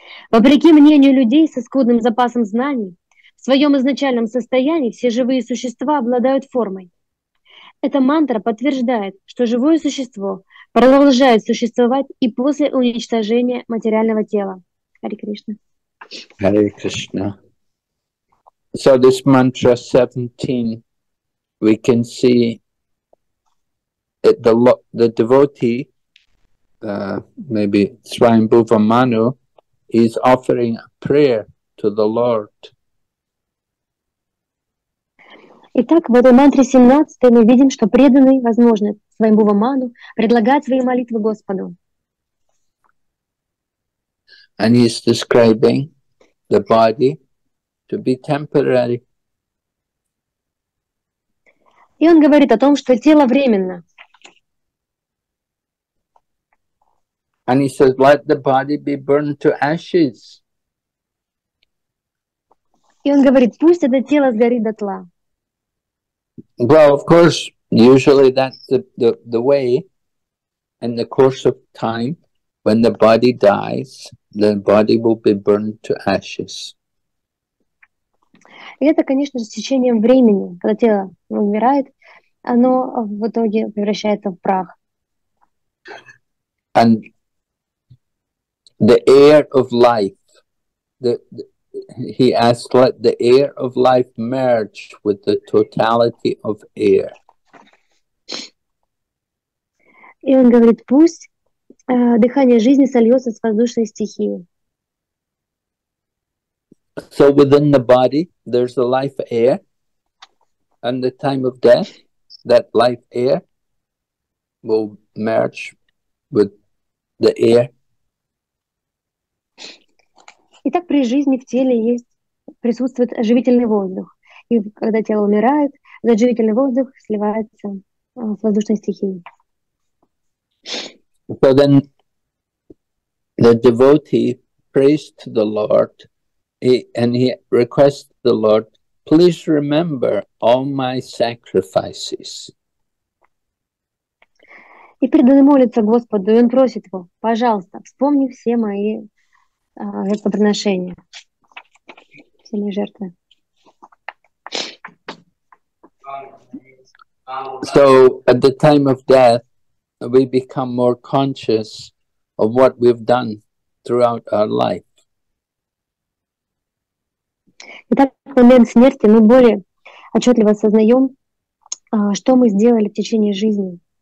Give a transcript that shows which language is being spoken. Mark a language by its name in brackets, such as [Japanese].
[Russian] Вопреки мнению людей со скудным запасом знаний, в своем изначальном состоянии все живые существа обладают формой. Эта мантра подтверждает, что живое существо продолжает существовать и после уничтожения материального тела. [English] Hare Krishna. Hare Krishna. So this mantra 17, we can see it, the devotee, maybe Swayambhuva Manu, is offering a prayer to the Lord. [Russian] Итак, в этой мантре 17 мы видим, что преданный, возможно, своему ваману, предлагает свои молитвы Господу. [English] And he's describing the body to be temporary. [Russian] И он говорит о том, что тело временно. [English] And he says, let the body be burned to ashes. [Russian] И он говорит, пусть это тело сгорит дотла. [English] Well, of course, usually that's the way in the course of time when the body dies, the body will be burned to ashes. [Russian] И это, конечно же, с течением времени, когда тело умирает, оно в итоге превращается в прах. [English] And the air of life, he asked, let the air of life merge with the totality of air. [Russian] И он говорит, пусть дыхание жизни сольется с воздушной стихией. [English] So within the body, there's the life air, and the time of death, that life air will merge with the air. [Russian] Итак, при жизни в теле есть, присутствует оживительный воздух. И когда тело умирает, этот живительный воздух сливается с воздушной стихией. [English] So then the devotee prays to the Lord, and he requests the Lord, please remember all my sacrifices. [Russian] И преданный молится Господу, и он просит его, пожалуйста, вспомни все мои жертвоприношения, все мои жертвы. [English] So at the time of death, we become more conscious of what we've done throughout our life. [Russian] Итак, в момент смерти мы более отчетливо осознаем, что мы сделали в течение жизни.